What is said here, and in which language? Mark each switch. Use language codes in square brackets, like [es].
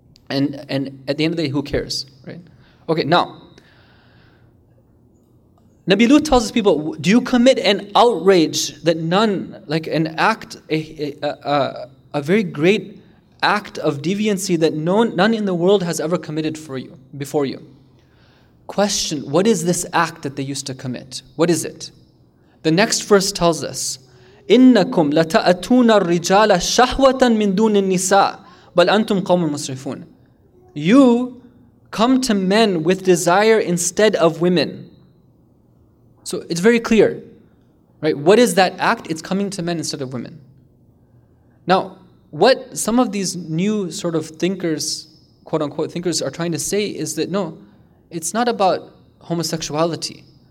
[en] And at the end of the day, who cares, right? Okay, now, Nabi Lut tells his people, do you commit an outrage that none, like an act, a very great act of deviancy that none in the world has ever committed for you, before you? Question, what is this act that they used to commit? What is it? The next verse tells us, [ar] إِنَّكُمْ لَتَأَتُونَ الرِّجَالَ شَهْوَةً مِن دُونِ النِّسَاءِ بَلْ أَنْتُمْ قَوْمٌ مُسْرِفُونَ. [en] You come to men with desire instead of women. So it's very clear, right? What is that act? It's coming to men instead of women. Now, what some of these new sort of thinkers, quote-unquote thinkers, are trying to say is that, no, it's not about homosexuality.